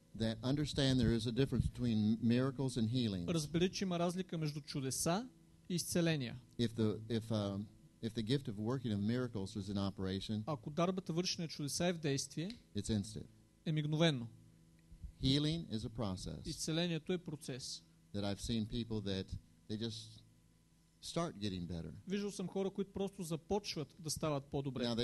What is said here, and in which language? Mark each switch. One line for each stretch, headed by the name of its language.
English: That understand there is a difference between miracles and healing.
Bulgarian: Разбери, че има разлика между чудеса и изцеления.
English: If the gift of working of miracles is in operation,
Bulgarian: ако дарбата вършене чудеса е в действие,
English: it's instant.
Bulgarian: Е мигновено.
English: Healing is a process.
Bulgarian: Изцелението е процес.
English: That I've seen people that they just start getting better.
Bulgarian: Виждал съм хора, които просто започват да стават по-добре.